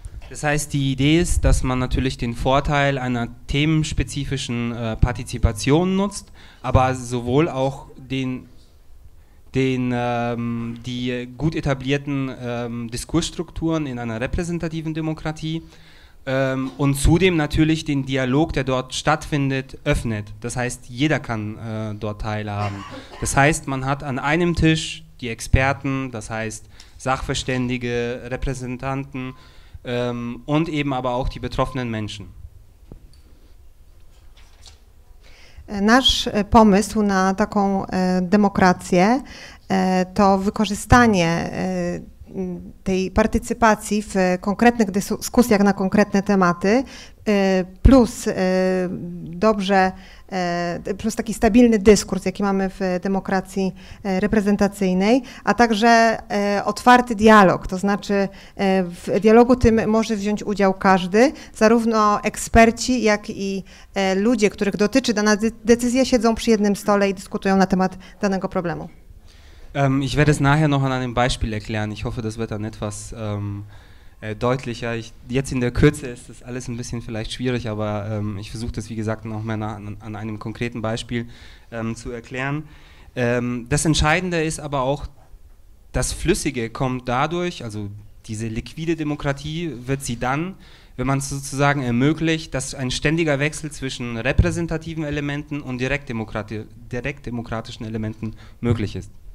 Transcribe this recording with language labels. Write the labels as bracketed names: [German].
[German] Das heißt, die Idee ist, dass man natürlich den Vorteil einer themenspezifischen Partizipation nutzt, aber sowohl auch die gut etablierten Diskursstrukturen in einer repräsentativen Demokratie und zudem natürlich den Dialog, der dort stattfindet, öffnet. Das heißt, jeder kann dort teilhaben. Das heißt, man hat an einem Tisch die Experten, das heißt Sachverständige, Repräsentanten, und eben aber auch die betroffenen Menschen. [Polish] Nasz pomysł na taką demokrację to wykorzystanie tej partycypacji w konkretnych dyskusjach na konkretne tematy plus dobrze plus taki stabilny dyskurs, jaki mamy w demokracji reprezentacyjnej, a także otwarty dialog, to znaczy w dialogu tym może wziąć udział każdy, zarówno eksperci, jak i ludzie, których dotyczy dana decyzja, siedzą przy jednym stole i dyskutują na temat danego problemu. [German] Ich werde es nachher noch an einem Beispiel erklären. Ich hoffe, das wird dann etwas deutlicher. Jetzt in der Kürze ist das alles ein bisschen vielleicht schwierig, aber ich versuche das, wie gesagt, noch mehr an einem konkreten Beispiel zu erklären. Das Entscheidende ist aber auch, das Flüssige kommt dadurch, also diese liquide Demokratie wird sie dann, wenn man es sozusagen ermöglicht, dass ein ständiger Wechsel zwischen repräsentativen Elementen und direktdemokratischen Elementen möglich ist.